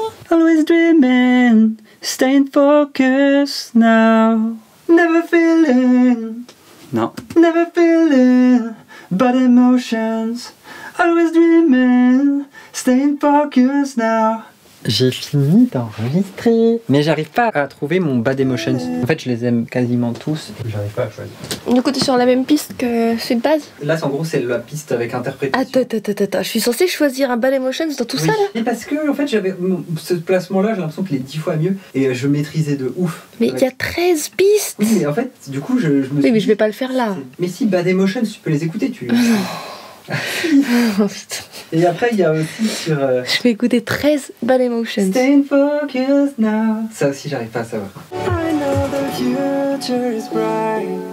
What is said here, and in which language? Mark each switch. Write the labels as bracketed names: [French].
[English] Always dreaming, staying focused now. Never feeling. Non. Never feeling, but emotions. Always dreaming, staying focused now. [French] J'ai fini d'enregistrer. Mais j'arrive pas à trouver mon Bad Emotions. En fait, je les aime quasiment tous. J'arrive pas à choisir. Du coup, t'es sur la même piste que cette base? Là, en gros, c'est la piste avec interprétation. Attends. Je suis censée choisir un Bad Emotions dans tout oui. Ça, là? Et parce que, en fait, j'avais ce placement-là, j'ai l'impression qu'il est 10 fois mieux. Et je maîtrisais de ouf. Mais il y a 13 pistes! Oui, mais en fait, du coup, je me suis. Oui, mais dit, je vais pas le faire là. C'est... Mais si, Bad Emotions, tu peux les écouter, tu. Et après il y a aussi sur je vais écouter 13 Bad Emotions. [English] Staying focused now. [French] Ça aussi j'arrive pas à savoir. [English] I know the future is bright.